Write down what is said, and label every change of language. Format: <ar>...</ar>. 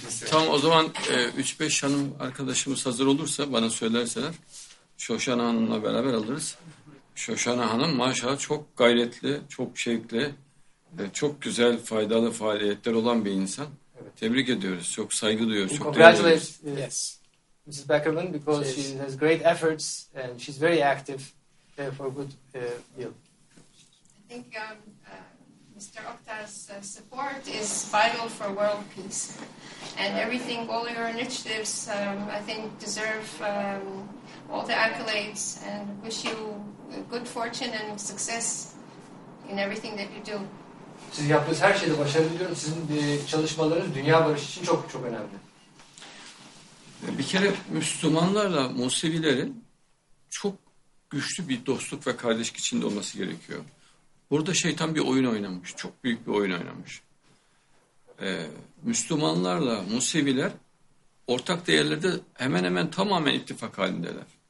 <tr>Tamam, o zaman 3-5 hanım arkadaşımız hazır olursa bana söylerseler Şoşana Hanım'la beraber alırız. Şoşana Hanım maşallah çok gayretli, çok şevkli, çok güzel, faydalı faaliyetler olan bir insan. Evet. Tebrik ediyoruz, çok saygı duyuyoruz.</tr> <en>We congratulate Mrs. Beckerman because she has great efforts and she's very active for a good deal. I think Mr. Oktay's support is vital for world peace. And everything, all your initiatives, I think, deserve all the accolades. And wish you good fortune and success in everything that you do.</en> <tr>Siz yaptığınız her şeyde başarılı diyorum. Sizin çalışmalarınız dünya barışı için çok çok önemli. Bir kere Müslümanlarla Musevilerin çok güçlü bir dostluk ve kardeşlik içinde olması gerekiyor. Burada şeytan bir oyun oynamış, çok büyük bir oyun oynamış. Müslümanlarla Museviler ortak değerlerde hemen hemen tamamen ittifak halindeler.</tr>